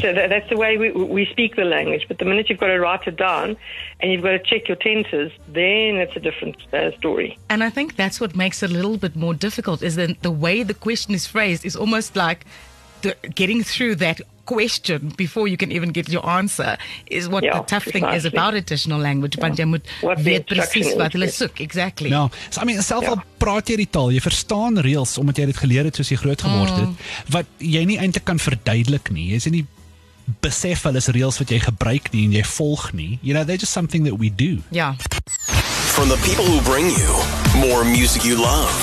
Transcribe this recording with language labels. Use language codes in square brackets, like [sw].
[en] That's the way we speak the language. But the minute you've got to write it down and you've got to check your tenses, then it's a different story. And I think that's what makes it a little bit more difficult, is that the way the question is phrased is almost like getting through that question before you can even get your answer is what the tough thing is about additional language. Exactly. No. So, I mean, [af] self al praat jy die taal, jy verstaan reels omdat jy dit geleer het soos jy groot geword het, wat jy nie eintlik kan verduidelik nie. Jy is nie besef hulle is reels wat jy gebruik nie en jy volg nie. [en] You know, they're just something that we do. Yeah. From the people who bring you more music you love.